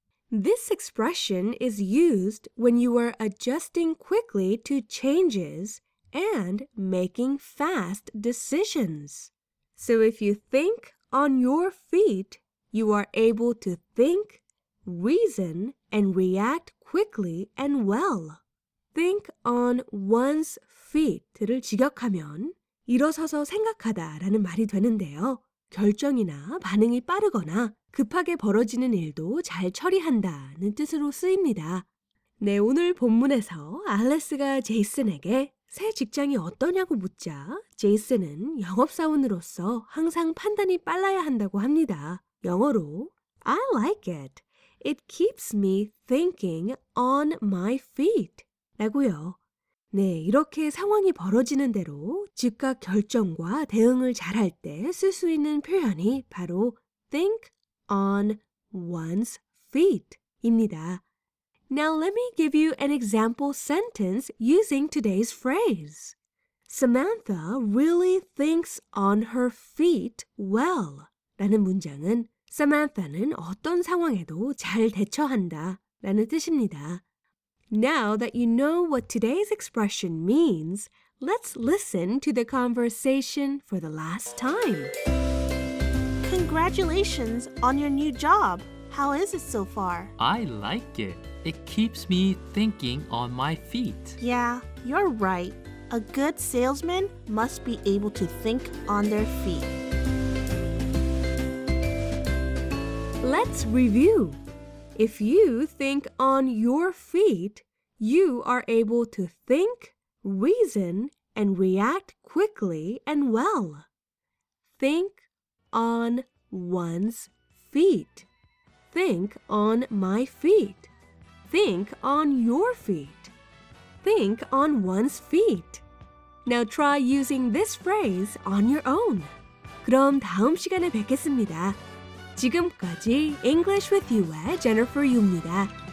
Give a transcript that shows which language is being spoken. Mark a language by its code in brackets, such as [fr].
[en] This expression is used when you are adjusting quickly to changes and making fast decisions. So if you think on your feet, you are able to think, reason, and react quickly and well. Think on one's feet를 [ko] 직역하면 일어서서 생각하다라는 말이 되는데요. 결정이나 반응이 빠르거나 급하게 벌어지는 일도 잘 처리한다는 뜻으로 쓰입니다. 네, 오늘 본문에서 알레스가 제이슨에게 새 직장이 어떠냐고 묻자 제이슨은 영업사원으로서 항상 판단이 빨라야 한다고 합니다. 영어로 [en] I like it. It keeps me thinking on my feet. [ko] 라고요. 네, 이렇게 상황이 벌어지는 대로 즉각 결정과 대응을 잘할 때 쓸 수 있는 표현이 바로 [en] think on one's feet [ko] 입니다. [en] Now let me give you an example sentence using today's phrase. Samantha really thinks on her feet well. [ko] 라는 문장은 Samantha는 어떤 상황에도 잘 대처한다 라는 뜻입니다. [en] Now that you know what today's expression means, let's listen to the conversation for the last time. Congratulations on your new job. How is it so far? I like it. It keeps me thinking on my feet. Yeah, you're right. A good salesman must be able to think on their feet. Let's review. If you think on your feet, you are able to think, reason, and react quickly and well. Think on one's feet. Think on my feet. Think on your feet. Think on one's feet. Now try using this phrase on your own. [ko] 그럼 다음 시간에 뵙겠습니다. 지금까지 English with You의 Jennifer Yu입니다.